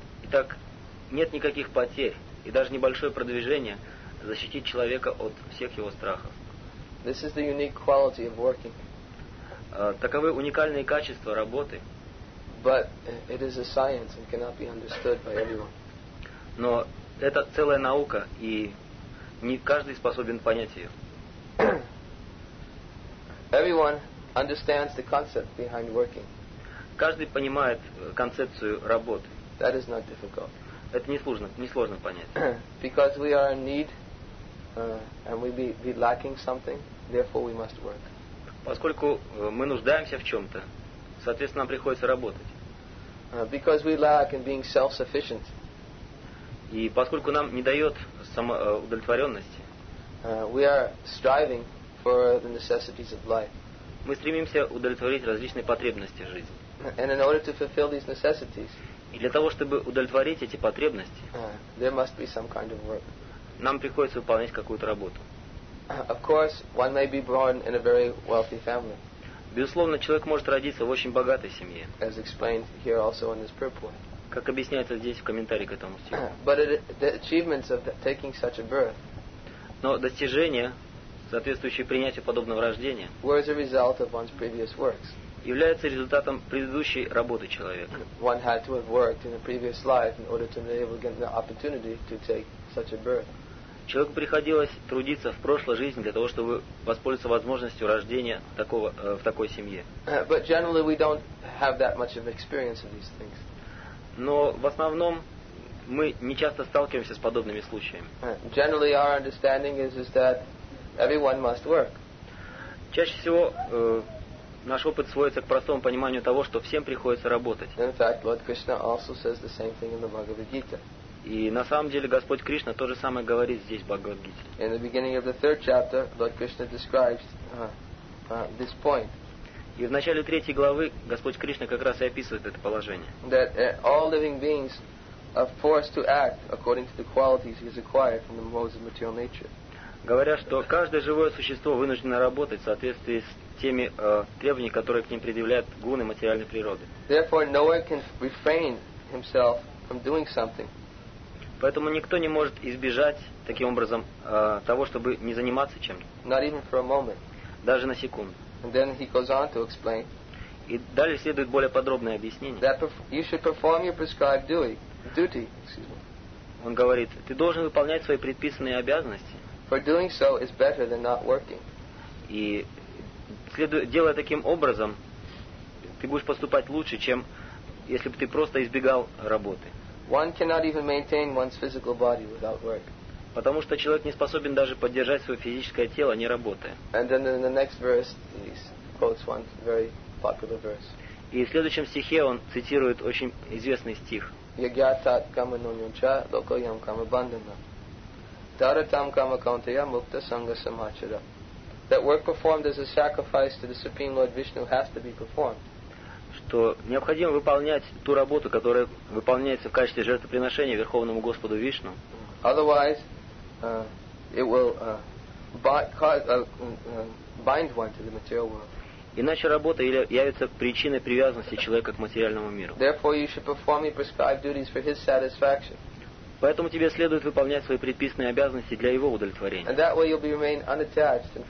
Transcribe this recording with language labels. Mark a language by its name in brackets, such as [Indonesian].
[Russian] Итак, нет никаких потерь, и даже небольшое продвижение защитит человека от всех его страхов. [English] This is the unique quality of working. [Russian] Таковы уникальные качества работы. [English] But it is a science and cannot be understood by everyone. [Russian] Но это целая наука, и не каждый способен понять ее. [English] Everyone understands the concept behind working. [Russian] Каждый понимает концепцию работы. [English] That is not difficult. [Russian] Это несложно понять. [English] Because we are in need, and we be lacking something, therefore we must work. [Russian] Поскольку мы нуждаемся в чем-то, соответственно, нам приходится работать. [English] Because we lack in being self-sufficient. [Russian] И поскольку нам не дает удовлетворенности, [English] we are striving for the necessities of life. [Russian] Мы стремимся удовлетворить различные потребности жизни. [English] And in order to fulfill these necessities, [Russian] и для того, чтобы удовлетворить эти потребности, [English] there must be some kind of work. [Russian] Нам приходится выполнять какую-то работу. [English] Of course, one may be born in a very wealthy family. [Russian] Безусловно, человек может родиться в очень богатой семье. [English] As explained here also in this purport. [Russian] Как объясняется здесь в комментарии к этому стиху. [English] But the achievements of taking such a birth. [Russian] Но достижения, соответствующие принятию подобного рождения, [English] were as a result of one's previous works. [Russian] Являются результатом предыдущей работы человека. [English] One had to have worked in a previous life in order to be able to get the opportunity to take such a birth. [Russian] Человеку приходилось трудиться в прошлой жизни для того, чтобы воспользоваться возможностью рождения такого, в такой семье. [English] But generally we don't have that much of experience of these things. [Russian] Но в основном мы не часто сталкиваемся с подобными случаями. [English] Generally our understanding is that everyone must work. [Russian] Чаще всего наш опыт сводится к простому пониманию того, что всем приходится работать. [English] In fact, Lord Krishna also says the same thing in the Bhagavad Gita. [Russian] И на самом деле Господь Кришна то же самое говорит здесь в Бхагавад-гите. [English] In the beginning of the third chapter, Lord Krishna describes this point. [Russian] И в начале третьей главы Господь Кришна как раз и описывает это положение. [English] That all living beings are forced to act according to the qualities he has acquired from the modes of material nature. [Russian] Говоря, что каждое живое существо вынуждено работать в соответствии с теми требованиями, которые к ним предъявляют гуны материальной природы. [English] Therefore, no one can refrain himself from doing something. [Russian] Поэтому никто не может избежать таким образом того, чтобы не заниматься чем-то. [English] Not even for a moment. [Russian] Даже на секунду. [English] And then he goes on to explain. [Russian] И далее следует более подробное объяснение. [English] That you should perform your prescribed duty. Excuse me. [Russian] Он говорит, ты должен выполнять свои предписанные обязанности. [English] For doing so is better than not working. [Russian] И делая таким образом, ты будешь поступать лучше, чем если бы ты просто избегал работы. [English] One cannot even maintain one's physical body without work. [Russian] Потому что человек не способен даже поддержать свое физическое тело, не работая. [English] And then in the next verse he quotes one very popular verse. [Russian] И в следующем стихе он цитирует очень известный стих. [Sanskrit] Yagyatat kama nunyuncha lokoyam kama bandhana. Taratam kama kauntaya mukta sangha samachara. [English] That work performed as a sacrifice to the Supreme Lord Vishnu has to be performed. [Russian] Что необходимо выполнять ту работу, которая выполняется в качестве жертвоприношения Верховному Господу Вишну. [English] Otherwise, it will bind one to the material world. [Russian] Иначе работа явится причиной привязанности человека к материальному миру. [English] Therefore, you should perform your prescribed duties for his satisfaction. [Russian] Поэтому тебе следует выполнять свои предписанные обязанности для его удовлетворения.